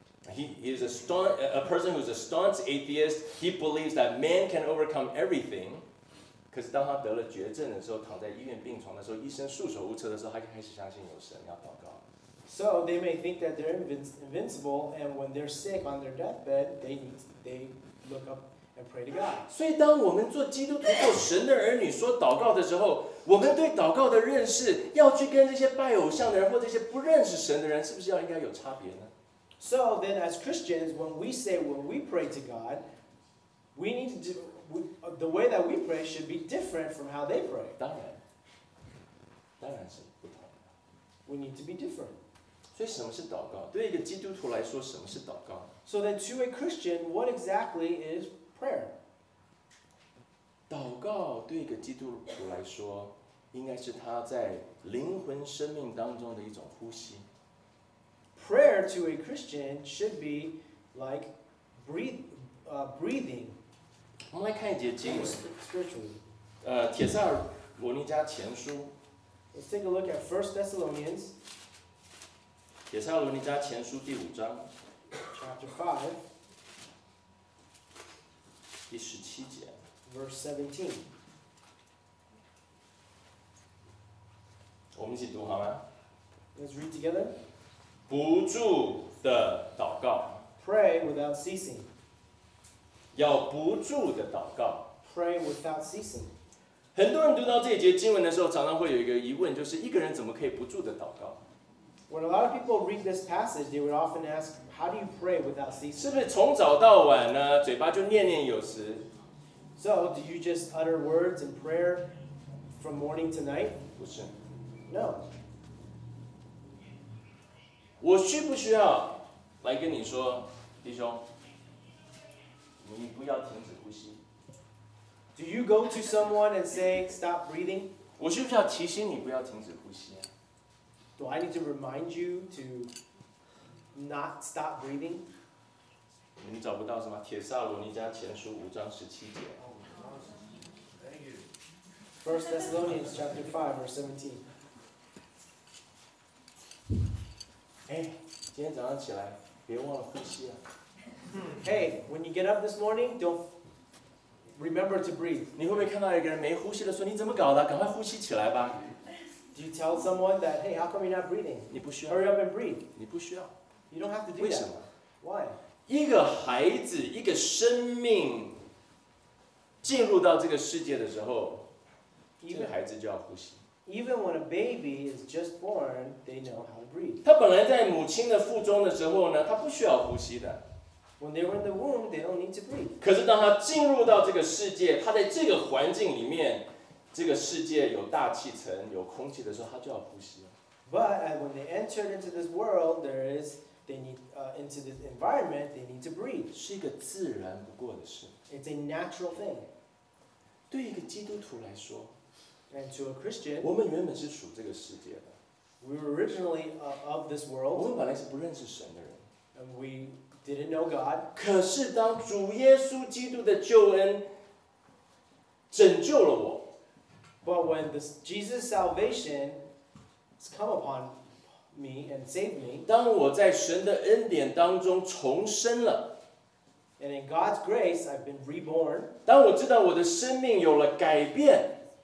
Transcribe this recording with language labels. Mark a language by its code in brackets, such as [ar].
[en] He is a person who is a staunch atheist. He believes that man can overcome everything. [zh] 可是当他得了绝症的时候，躺在医院病床的时候，医生束手无策的时候，他开始相信有神，要祷告。 [en] So they may think that they're invincible, and when they're sick on their deathbed, they look up and pray to God. [zh] 所以当我们做基督徒做神的儿女说祷告的时候，我们对祷告的认识要去跟这些拜偶像的人或这些不认识神的人，是不是要应该有差别呢？ [en] So then as Christians, when we pray to God, we need to do, the way that we pray should be different from how they pray. [zh] 当然。当然是不同的。 [en] We need to be different. [zh] 所以什么是祷告？对一个基督徒来说，什么是祷告？ [en] So then to a Christian, what exactly is prayer? [zh] 祷告对一个基督徒来说，应该是他在灵魂生命当中的一种呼吸。 [en] Prayer to a Christian should be like breathing. [zh] 我们来看一节经文。 [en] Spiritually. [zh] 帖撒罗尼迦前书。 [en] Let's take a look at 1 Thessalonians. [zh] 帖撒罗尼迦前书第五章。 [en] Chapter 5. [zh] 第十七节。 [en] Verse 17. [zh] 我们一起读好吗？ [en] Let's read together. [zh] 不住的祷告 [en] ，pray without ceasing。 [zh] 要不住的祷告 [en] ，pray without ceasing。 [zh] 很多人读到这节经文的时候，常常会有一个疑问，就是一个人怎么可以不住的祷告 [en] ？When a lot of people read this passage, they would often ask, "How do you pray without ceasing?" [zh] 是不是从早到晚呢？嘴巴就念念有词 [en] ？So do you just utter words in prayer from morning to night? [zh] 不是 [en] ，No. [zh] 我需不需要来跟你说，弟兄，你不要停止呼吸。 [en] Do you go to someone and say stop breathing? [zh] 我需不需要提醒你不要停止呼吸啊？ [en] Do I need to remind you to not stop breathing? [zh] 你找不到什么？帖撒罗尼迦前书五章十七节。 [en] Oh, thank you. First Thessalonians chapter 5 verse 17. [zh] 哎，今天早上起来，别忘了呼吸啊。 [en] Hey, when you get up this morning, don't remember to breathe. [zh] 你会不会看到一个人没呼吸的说，你怎么搞的？赶快呼吸起来吧。 [en] Do you tell someone that, hey, how come you're not breathing? [zh] 你不需要。 [en] Hurry up and breathe. [zh] 你不需要。 [en] You don't have to do that. [zh] 为什么？ [en] Why? [zh] 一个孩子，一个生命进入到这个世界的时候，这个孩子就要呼吸。 [en] Even when a baby is just born, they know how to breathe. [zh] 他本来在母亲的腹中的时候呢，他不需要呼吸的。 [en] When they were in the womb, they don't need to breathe. [zh] 可是当他进入到这个世界，他在这个环境里面，这个世界有大气层、有空气的时候，他就要呼吸了。 [en] But when they entered into this world, into this environment, they need to breathe. [zh] 是一个自然不过的事。 [en] It's a natural thing. [zh] 对一个基督徒来说。 [en] And to a Christian, [zh] 我们原本是属这个世界的。 [en] We were originally of this world. [zh] 我们本来是不认识神的人。 [en] And we didn't know God. [zh] 可是当主耶稣基督的救恩拯救了我。 [en] But when this Jesus' salvation has come upon me and saved me. [zh] 当我在神的恩典当中重生了。 And in God's grace, I've been reborn. 当我知道我的生命有了改变。